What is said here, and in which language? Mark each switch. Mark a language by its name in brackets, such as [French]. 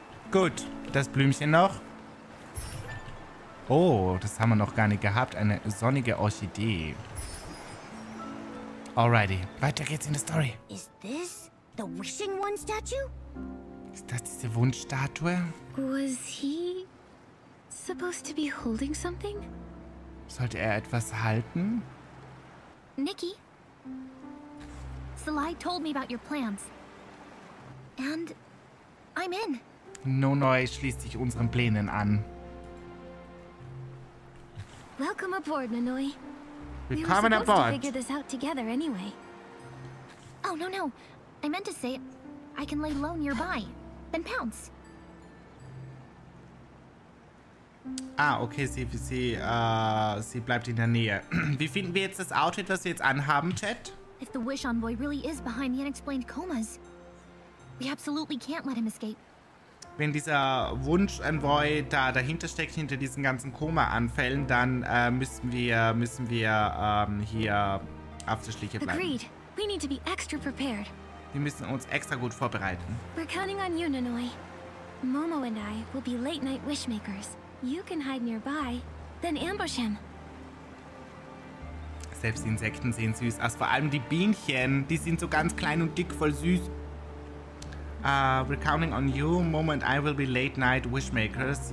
[German] Gut, das Blümchen noch. Oh, das haben wir noch gar nicht gehabt. Eine sonnige Orchidee. [English] Alrighty, [German] weiter geht's in der Story. [English] Is this the wishing one statue? [German] Ist das diese Wunschstatue? [English] Was he supposed to be holding something? [German] Sollte er etwas halten? [English] Nikki? Salai told me about your plans. And I'm in. [German] Nonoi schließt sich unseren Plänen an. [English] Welcome aboard, Nonoi. [German] Willkommen an Bord. [English] We figure this out together anyway. Oh, no, no. I meant to say, I can lay low nearby, then pounce. [German] Ah, okay, sie bleibt in der Nähe. Wie finden wir jetzt das Outfit, was wir jetzt anhaben, Chat? [English] If the wish envoy really is behind the unexplained comas, we absolutely can't let him escape. [German] Wenn dieser Wunsch-Envoy da dahinter steckt, hinter diesen ganzen Koma-Anfällen, dann müssen wir hier auf der Schliche bleiben. [English] Agreed. We need to be extra prepared. [German] Wir müssen uns extra gut vorbereiten. [English] We're counting on you, Nonoi. Momo and I will be late-night wishmakers. You can hide nearby, then ambush him. [German] Selbst die Insekten sehen süß aus. Vor allem die Bienchen. Die sind so ganz klein und dick, voll süß. [English] We're counting on you. Momo and I will be late night wishmakers.